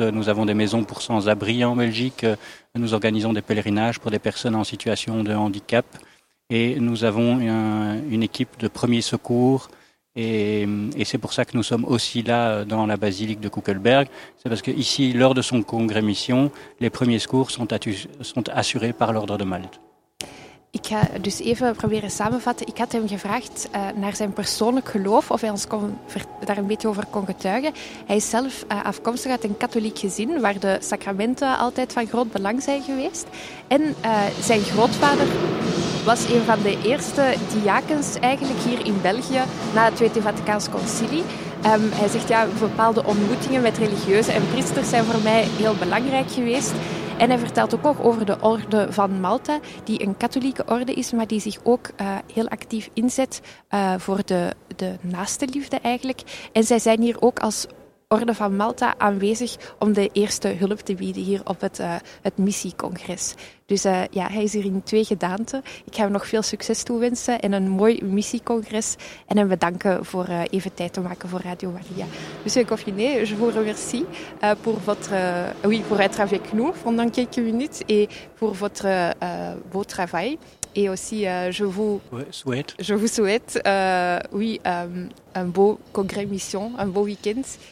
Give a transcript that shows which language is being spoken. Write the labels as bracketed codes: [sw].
[fr] Nous avons des maisons pour sans-abri en Belgique. Nous organisons des pèlerinages pour des personnes en situation de handicap. Et nous avons une équipe de premiers secours. Et c'est pour ça que nous sommes aussi là dans la basilique de Kuckelberg. C'est parce qu'ici, lors de son congrès mission, les premiers secours sont assurés par l'Ordre de Malte. [nl] Ik ga dus even proberen samenvatten. Ik had hem gevraagd naar zijn persoonlijk geloof, of hij ons daar een beetje over kon getuigen. Hij is zelf afkomstig uit een katholiek gezin, waar de sacramenten altijd van groot belang zijn geweest. En zijn grootvader was een van de eerste diakens eigenlijk hier in België, na het Tweede Vaticaans Concilie. Hij zegt, ja, bepaalde ontmoetingen met religieuzen en priesters zijn voor mij heel belangrijk geweest. En hij vertelt ook nog over de Orde van Malta, die een katholieke orde is, maar die zich ook heel actief inzet voor de naastenliefde eigenlijk. En zij zijn hier ook als Orde van Malta aanwezig om de eerste hulp te bieden hier op het missiecongres. Dus hij is hier in twee gedaanten. Ik ga hem nog veel succes toewensen en een mooi missiecongres. En hem bedanken voor even tijd te maken voor Radio Maria. [fr] Monsieur Goffinet, je vous remercie pour votre, oui, pour être avec nous pendant quelques minutes et pour votre beau travail. Et aussi, je vous souhaite un beau congrès mission, un beau week-end.